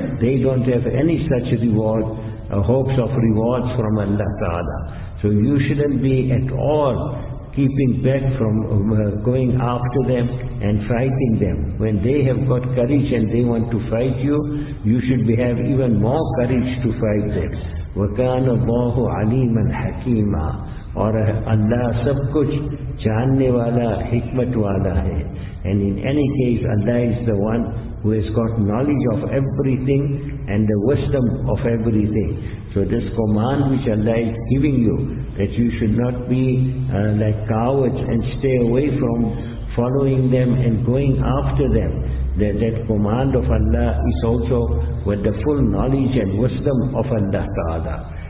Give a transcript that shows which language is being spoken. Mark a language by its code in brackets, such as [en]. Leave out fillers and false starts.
[en] They don't have any such reward. Hopes of rewards from Allah Ta'ala. So you shouldn't be at all keeping back from going after them and fighting them. When they have got courage and they want to fight you, you should have even more courage to fight them. [ar] وَكَانَ اللَّهُ عَلِيمًا حَكِيمًا [ur] اور اللہ سب کچھ جاننے والا حکمت والا ہے. [en] And in any case, Allah is the one who has got knowledge of everything and the wisdom of everything. So this command which Allah is giving you, that you should not be like cowards and stay away from following them and going after them, that command of Allah is also with the full knowledge and wisdom of Allah Ta'ala.